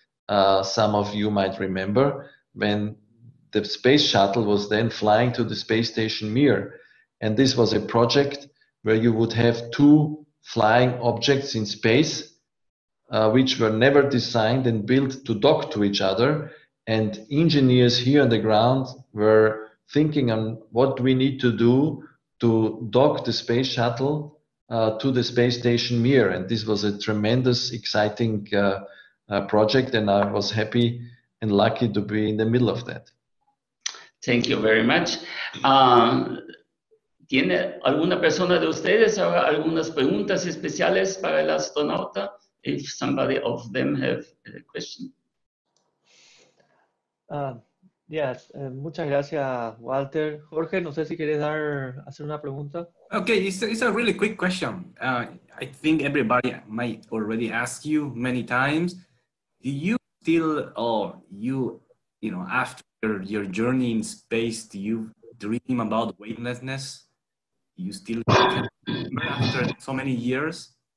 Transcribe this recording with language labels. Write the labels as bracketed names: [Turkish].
[English] Some of you might remember when the space shuttle was then flying to the space station Mir, and this was a project where you would have two flying objects in space, which were never designed and built to dock to each other, and engineers here on the ground were thinking on what we need to do to dock the space shuttle to the space station Mir. And this was a tremendous, exciting project, and I was happy and lucky to be in the middle of that. Thank you very much. [Spanish] ¿Tiene alguna persona de ustedes ahora algunas preguntas especiales para el astronauta? [English] If somebody of them have a question. Yes, [Spanish] muchas gracias, Walter. Jorge, no sé si quieres hacer una pregunta. [English] Okay, it's a really quick question. I think everybody might already ask you many times. Do you still, or you know, after your journey in space, do you dream about weightlessness? Do you still after so many years?